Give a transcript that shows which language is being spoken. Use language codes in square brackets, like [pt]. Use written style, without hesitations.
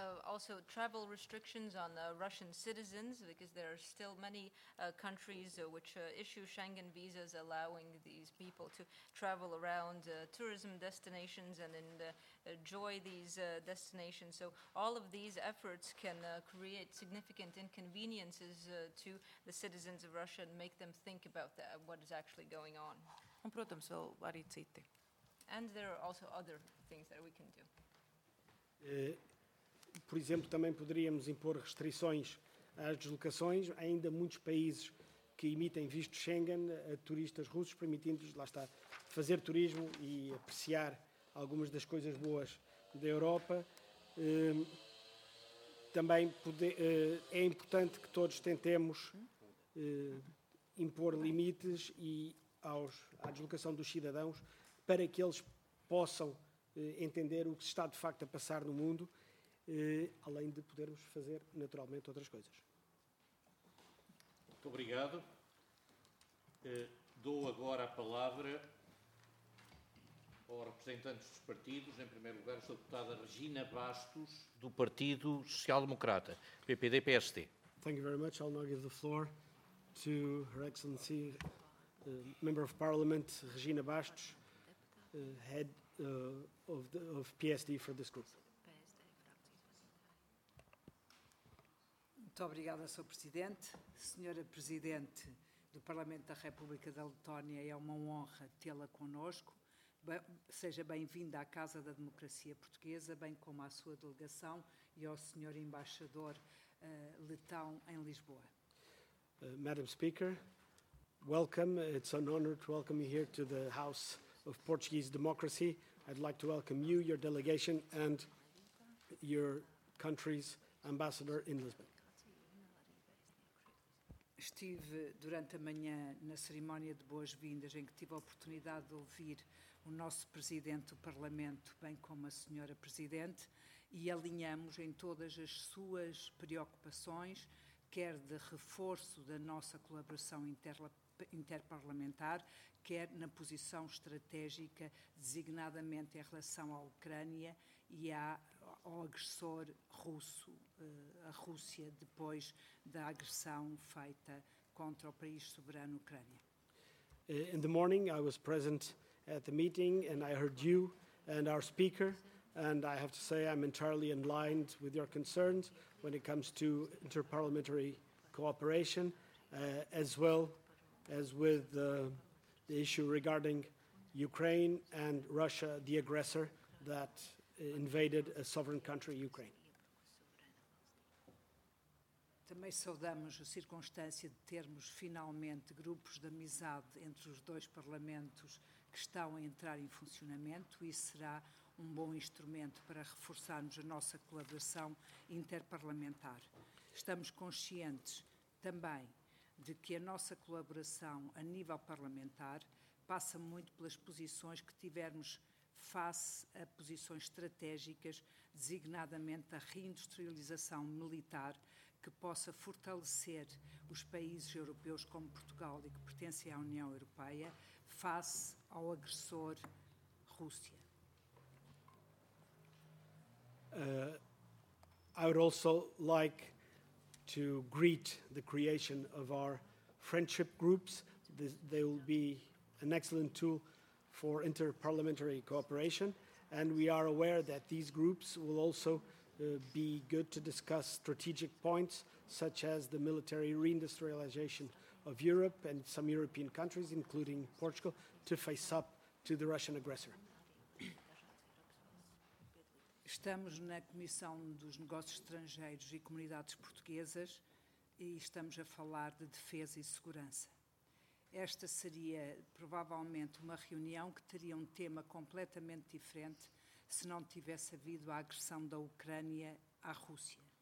[en] Also travel restrictions on Russian citizens because there are still many countries which issue Schengen visas allowing these people to travel around tourism destinations and enjoy these destinations. So all of these efforts can create significant inconveniences to the citizens of Russia and make them think about that, what is actually going on. [lv] Un, protams, vēl arī citi. [en] And there are also other things that we can do. [pt] Por exemplo, também poderíamos impor restrições às deslocações. Há ainda muitos países que emitem visto Schengen a turistas russos, permitindo-lhes, lá está, fazer turismo e apreciar algumas das coisas boas da Europa. Também é importante que todos tentemos impor limites à deslocação dos cidadãos para que eles possam entender o que se está de facto a passar no mundo. Além de podermos fazer naturalmente outras coisas. Muito obrigado. Dou agora a palavra aos representantes dos partidos. Em primeiro lugar, a sua deputada Regina Bastos, do Partido Social Democrata, PPD-PSD. [en] Thank you very much. I'll now give the floor to Her Excellency, Member of Parliament, Regina Bastos, Head of PSD for this group. [pt] Muito obrigada, Sr. Presidente. Senhora Presidente do Parlamento da República da Letónia, é uma honra tê-la connosco. Seja bem-vinda à Casa da Democracia Portuguesa, bem como à sua delegação e ao Sr. Embaixador Letão em Lisboa. [en] Madam Speaker, welcome. It's an honor to welcome you here to the House of Portuguese Democracy. I'd like to welcome you, your delegation, and your country's ambassador in Lisbon. [pt] Estive durante a manhã na cerimónia de boas-vindas em que tive a oportunidade de ouvir o nosso Presidente do Parlamento, bem como a Senhora Presidente, e alinhamos em todas as suas preocupações, quer de reforço da nossa colaboração interparlamentar, quer na posição estratégica, designadamente em relação à Ucrânia e ao agressor russo, a Rússia, depois da agressão feita contra o país soberano Ucrânia. [en] In the morning, I was present at the meeting and I heard you and our speaker, and I have to say I'm entirely in line with your concerns when it comes to interparliamentary cooperation, as well as with the issue regarding Ukraine and Russia, the aggressor that invaded a sovereign country, Ukraine. [pt] Também saudamos a circunstância de termos finalmente grupos de amizade entre os dois parlamentos que estão a entrar em funcionamento. Isso será um bom instrumento para reforçarmos a nossa colaboração interparlamentar. Estamos conscientes também de que a nossa colaboração a nível parlamentar passa muito pelas posições que tivermos face a posições estratégicas, designadamente a reindustrialização militar, que possa fortalecer os países europeus como Portugal e que pertencem à União Europeia, face ao agressor Rússia. [en] I would also like to greet the creation of our friendship groups. They will be an excellent tool for interparliamentary cooperation, and we are aware that these groups will also be good to discuss strategic points such as the military reindustrialization of Europe and some European countries, including Portugal, to face up to the Russian aggressor. [pt] Estamos na Comissão dos Negócios Estrangeiros e Comunidades Portuguesas e estamos a falar de defesa e segurança. Esta seria provavelmente uma reunião que teria um tema completamente diferente se não tivesse havido a agressão da Ucrânia à Rússia.